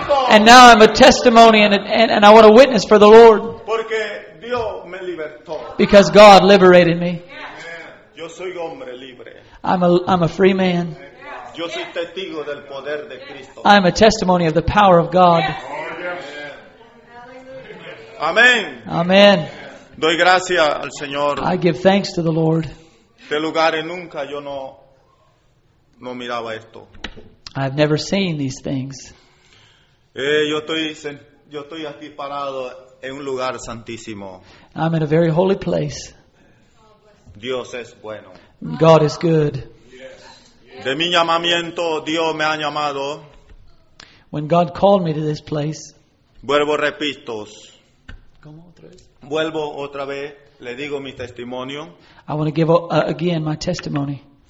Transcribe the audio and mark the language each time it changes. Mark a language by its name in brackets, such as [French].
[English] And now I'm a testimony and I want a witness for the Lord. [Spanish] Porque Dios me libertó. [English] Because God liberated me. [Spanish] Yeah. Yo soy hombre libre. [English] I'm a free man. Yeah. [Spanish] Yo soy testigo del poder de Cristo. [English] I'm a testimony of the power of God. Oh, yeah. Amen. Amen. [Spanish] Doy gracias al Señor. [English] I give thanks to the Lord. [Spanish] De lugares nunca yo no miraba esto. [English] I've never seen these things. [Spanish] Yo estoy aquí parado en un lugar santísimo. [English] I'm in a very holy place. [Spanish] Dios es bueno. [English] God is good. [Spanish] De mi llamamiento, Dios me ha llamado. [English] When God called me to this place. [Spanish] Vuelvo, repito. ¿Cómo otra vez? Vuelvo otra vez, le digo mi testimonio. [English] I want to give again my testimony.